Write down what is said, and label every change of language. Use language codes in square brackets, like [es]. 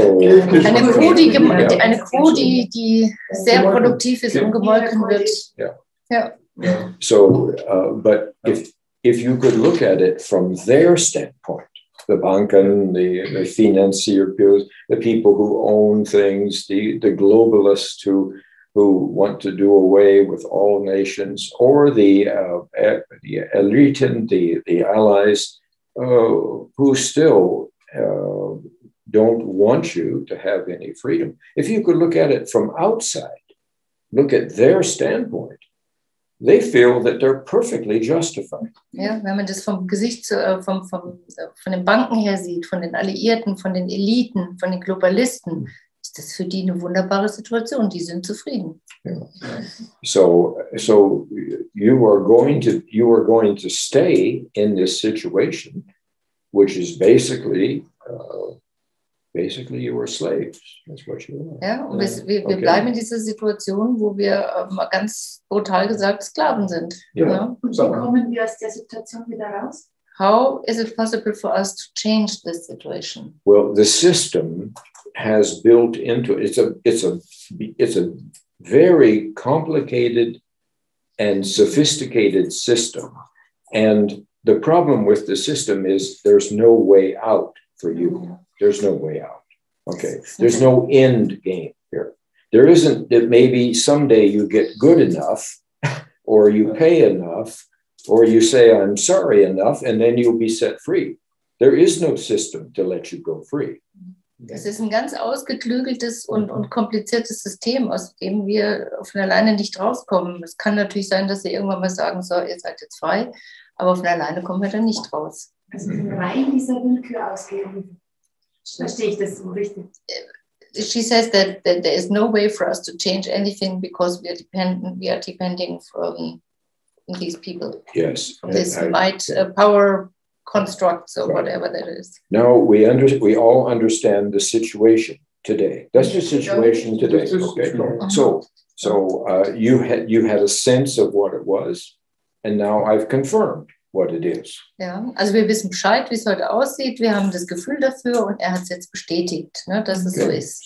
[de] Eine Kuh, die sehr produktiv ist und gemolken wird. [en] So, but if you could look at it from their standpoint, the Banken, the financier, the people who own things, the globalists who want to do away with all nations, or the Eliten, the allies, who still don't want you to have any freedom. If you could look at it from outside, look at their standpoint, they feel that they're perfectly justified. [de] Ja, wenn man das vom Gesicht von den Banken her sieht, von den Alliierten, von den Eliten, von den Globalisten, ist das für die eine wunderbare Situation. Die sind zufrieden. [en] So you are going to stay in this situation, which is basically you are slaves. That's what you are. [de] Ja, und wir bleiben in dieser Situation, wo wir mal ganz brutal gesagt Sklaven sind. Ja. Und wie kommen wir aus der Situation wieder raus? [en] How is it possible for us to change this situation? Well, the system has built into it. It's a very complicated and sophisticated system. And the problem with the system is there's no way out for you. There's no way out. Okay. There's no end game here. There isn't that maybe someday you get good enough or you pay enough, or you say, I'm sorry enough, and then you'll be set free. There is no system to let you go free. [de] Das ist ein ganz ausgeklügeltes und kompliziertes System, aus dem wir von alleine nicht rauskommen. Es kann natürlich sein, dass sie irgendwann mal sagen, so, ihr seid jetzt frei, aber von alleine kommen wir dann nicht raus. Also rein dieser Willkür ausgehen, verstehe ich das so richtig? [en] She says that there is no way for us to change anything because we are depending from these people. Yes. This might power constructs or whatever that is. No, we all understand the situation today. That's the situation today. Okay. So you had a sense of what it was, and now I've confirmed what it is. [de] Ja, also wir wissen Bescheid, wie es heute aussieht. Wir haben das Gefühl dafür, und er hat es jetzt bestätigt, ne, dass es so ist.